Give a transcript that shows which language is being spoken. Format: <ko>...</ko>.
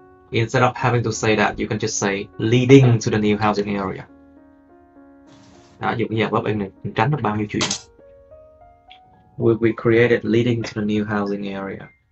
<en>Instead of having to say that, you can just say leading to the new housing area.</en> <vi>Đó, dùng cái giờ bóp em này, tránh được bao nhiêu chuyện.</vi> <en>Will be created leading to the new housing area.</en>